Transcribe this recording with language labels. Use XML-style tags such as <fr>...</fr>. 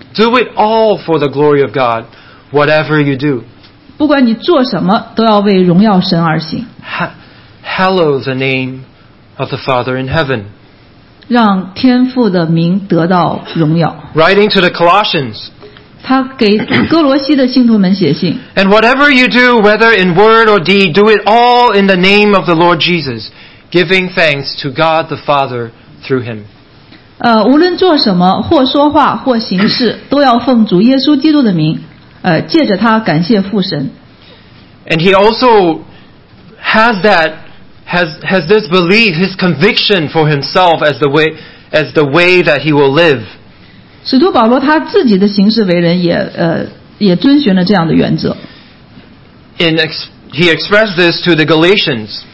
<en>Do it all for the glory of God, whatever you do.</en> <zh>不管你做什么，都要为荣耀神而行。</zh> <en>Hallow the name of the Father in heaven.</en> <zh>让天父的名得到荣耀。</zh> <en>Writing to the Colossians.</en> <zh>他给哥罗西的信徒们写信。</zh> <en>And whatever you do, whether in word or deed, do it all in the name of the Lord Jesus, giving thanks to God the Father through him.</en> <zh>无论做什么，或说话，或行事，都要奉主耶稣基督的名，借着他感谢父神。</zh> <en>And he also has this belief, his conviction for himself as the way that he will live.</en> <zh>使徒保罗他自己的行事为人也遵循了这样的原则。</zh> <en>He expressed this to the Galatians.</en>